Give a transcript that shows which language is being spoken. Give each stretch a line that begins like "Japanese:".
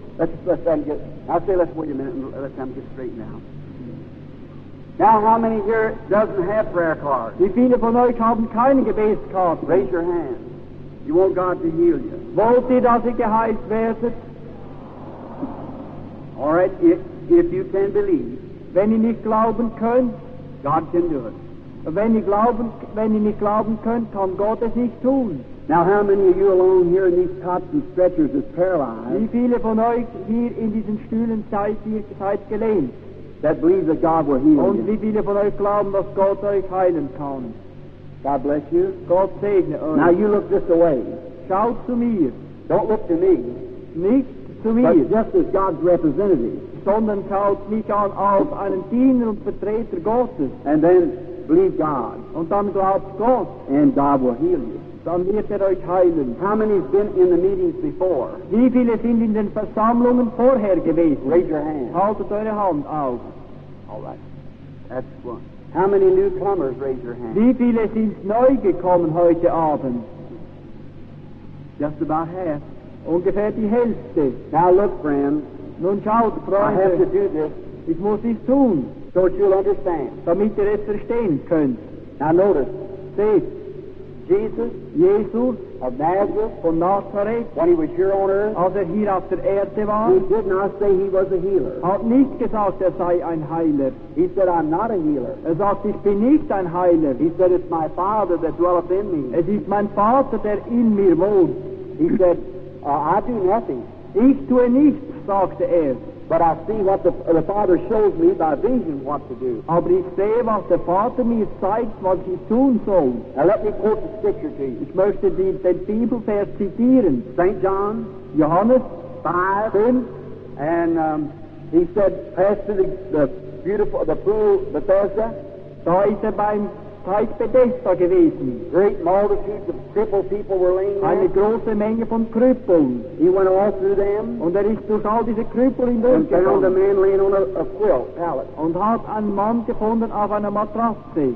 English: Let's wait a minute and let them get straight now. Now, how many here doesn't have prayer cards?
German: Wie viele von euch haben keine Gebetskarten?
English: Raise your hand. You want God to heal you.
German: Wollt ihr, dass ihr geheilt werdet?
English: All right, if you can believe.
German: Wenn ihr nicht glauben könnt.
English: God can do it.
German: Wenn ihr nicht glauben könnt, kann Gott es nicht tun.
English: Now, how many of you alone here in these cots and stretchers is paralyzed?
German: Wie viele von euch hier in diesen Stühlen seid gelähmt?
English: That believes that God will heal you.
German: Und wie viele von euch glauben, dass Gott euch heilen kann?
English: God bless you.
German: Gott segne euch.
English: Now you look this way.
German: Schaut zu mir.
English: Don't look to me.
German: Nicht zu mir.
English: But just as God's representative.
German: Sondern schaut mich an als einen Diener und Vertreter Gottes.
English: And then believe God.
German: Und dann glaubt Gott.
English: And God will heal you.
German: Dann wird euch heilen.
English: How many have been in the meetings before?
German: Wie viele sind in den Versammlungen vorher gewesen?
English: Raise your hand.
German: Haltet eure Hand auf.
English: All right. That's one. How many newcomers raise your hand?
German: Wie viele sind neu gekommen heute Abend?
English: Just about half.
German: Ungefähr die Hälfte.
English: Now look, friend.
German: Nun schaut, Freunde.
English: I have to do this.
German: Ich muss dies tun.
English: So that you'll understand.
German: Damit ihr es verstehen könnt.
English: Now notice.
German: Seht.
English: Jesus of Nazareth,
German: von Nazareth,
English: when he was here on earth,
German: als hier auf der Erde war,
English: he did not say he was a healer.
German: Hat nicht gesagt, sei ein Heiler.
English: He said, I'm not a healer.
German: Sagt, ich bin nicht ein Heiler.
English: He said, it's my Father that dwelleth in me.
German: Es ist mein Vater, der in mir wohnt.
English: He said, I do nothing.
German: Ich tue nichts, sagte er.
English: But I see what the Father shows me by vision what to do.
German: Aber ich sehe, was der Vater mir zeigt, was ich tun soll.
English: Now let me quote the scripture to you.
German: Ich möchte den Bibelvers zitieren.
English: St. John,
German: Johannes 5.
English: And he said, pass to the beautiful, the pool Bethesda.
German: Da ist beim Teich Bethesda gewesen.
English: Great multitudes of crippled people were laying there.
German: Eine große Menge von Krüppeln.
English: He went all through them.
German: Und ist durch all diese Krüppel hindurch gegangen.
English: And found a man laying on a quilt, pallet.
German: Und hat einen Mann gefunden auf einer Matratze.